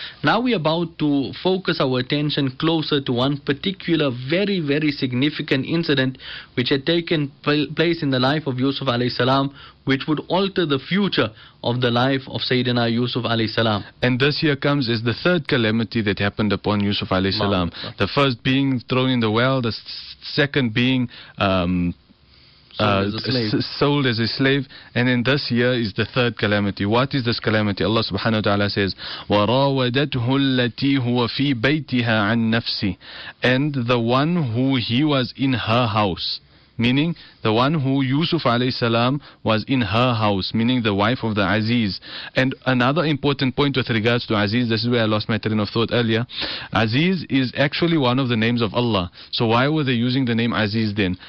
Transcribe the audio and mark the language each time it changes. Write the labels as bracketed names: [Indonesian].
[English] Now we are about to focus our attention closer to one particular very, very significant incident which had taken place in the life of Yusuf alayhi salam, which would alter the future of the life of Sayyidina Yusuf alayhi salam. And this here comes as the third calamity that happened upon Yusuf alayhi salam. The first being thrown in the well, the second being sold as a slave, and in this year is the third calamity. What is this calamity? Allah subhanahu wa ta'ala says, [Arabic] وَرَاوَدَتْهُ الَّتِي هُوَ فِي بَيْتِهَا عَن نَفْسِ. [English] And the one who he was in her house, meaning the one who Yusuf alayhi salam was in her house, meaning the wife of the Aziz. And another important point with regards to Aziz, this is where I lost my train of thought earlier. Aziz is actually one of the names of Allah. So why were they using the name Aziz then?